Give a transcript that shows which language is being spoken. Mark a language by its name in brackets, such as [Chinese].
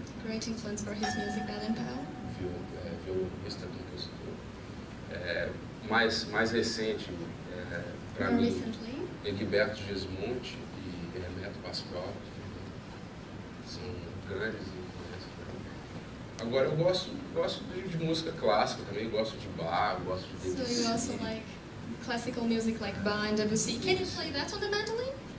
[English] Great influence for his music, Baden Powell. [Portuguese] Violonista, compositor. Mais recente, para mim, Egberto Gismonti e Renato Pascoal, são grandes influências para mim. Agora, eu gosto de música clássica também, gosto de Bach, gosto de Debussy. [English] So you also like classical music like Bach and Debussy. Can you play that on the mandolin?